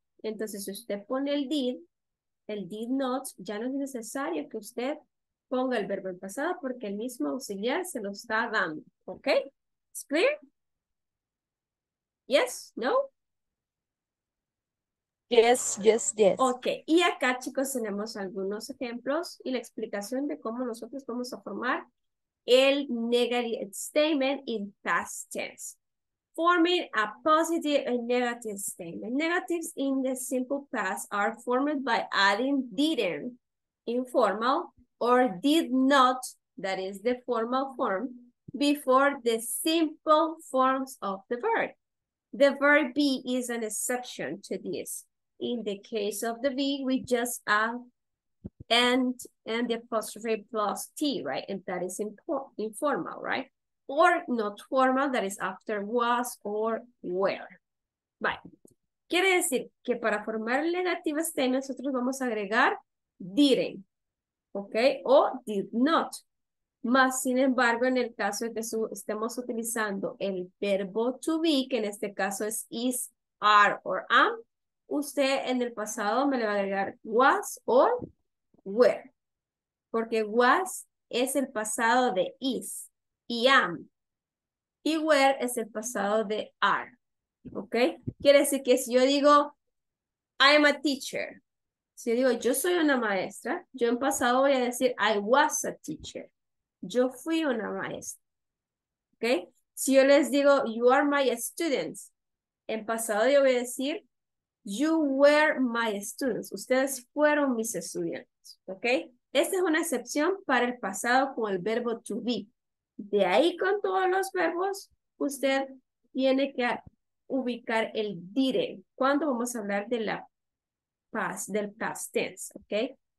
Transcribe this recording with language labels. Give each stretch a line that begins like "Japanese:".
Spanish: Entonces, si usted pone el
English: did not,
Spanish: ya no es necesario que usted ponga el verbo en pasado porque el mismo auxiliar se lo está dando. ¿Ok? ¿Es
English: clear? ¿Yes?
Spanish: ¿No?
English: Yes, yes, yes.
Spanish: Ok, y acá, chicos, tenemos algunos ejemplos y la explicación de cómo nosotros vamos a formar el
English: negative statement in past tense. Forming a positive and negative statement. Negatives in the simple past are formed by adding didn't, informal, or did not, that is the formal form, before the simple forms of the verb. The verb be is an exception to this. In the case of the be, we just add and the apostrophe plus T, right? And that is informal, right? Or not formal, that is after was or were.
Spanish: Vale. Quiere decir que para formar el
English: negative statement
Spanish: nosotros vamos a agregar
English: didn't,
Spanish: ¿ok? O
English: did not.
Spanish: Más sin embargo, en el caso de que estemos utilizando el verbo to be, que en este caso es
English: is, are, or am,
Spanish: usted en el pasado me le va a agregar
English: was or were.
Spanish: Porque was es el pasado de is y am. Y were es el pasado de are. ¿Ok? Quiere decir que si yo digo,
English: I am a teacher.
Spanish: Si yo digo, yo soy una maestra, yo en pasado voy a decir,
English: I was a teacher.
Spanish: Yo fui una maestra. ¿Ok? Si yo les digo,
English: you are my students,
Spanish: en pasado yo voy a decir,
English: you were my students.
Spanish: Ustedes fueron mis estudiantes. ¿Ok? Esta es una excepción para el pasado con el verbo to be. De ahí con todos los verbos, usted tiene que ubicar el dire. ¿Cuándo vamos a hablar de la past, del
English: past tense?
Spanish: ¿Ok?